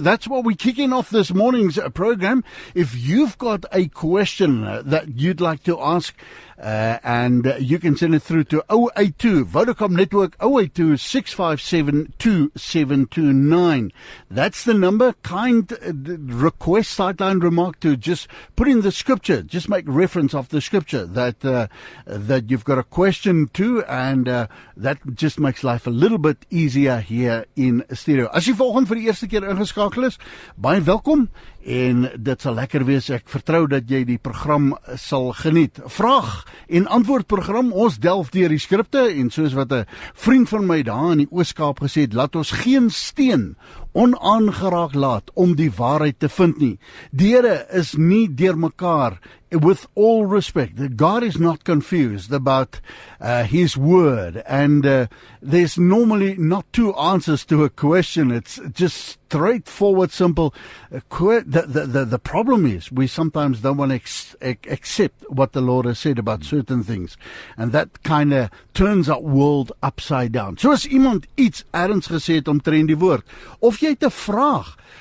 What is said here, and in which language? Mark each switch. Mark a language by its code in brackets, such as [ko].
[en] That's what we're kicking off this morning's program. If you've got a question that you'd like to ask, you can send it through to 082 Vodacom Network, 082-657-2729. That's the number. Kind request, sideline remark to just put in the scripture, just make reference of the scripture that you've got a question to, and that just makes life a little bit easier here in stereo. [af] As jy volgende vir die eerste keer ingeskakel is, baie welkom. En dit sal lekker wees, ek vertrou dat jy die program sal geniet. Vraag en antwoord program, ons delf deur die skripte en soos wat 'n vriend van my daar in die Ooskaap gesê het, laat ons geen steen onaangeraak laat om die waarheid te vind nie. Deure is nie deur mekaar. [en] With all respect, God is not confused about his word, and there's normally not two answers to a question. It's just straightforward, simple. The problem is we sometimes don't want to accept what the Lord has said about certain things, and that kind of turns our world upside down. [af] So as iemand iets erns gesê het omtrent die woord, of jy het 'n vraag.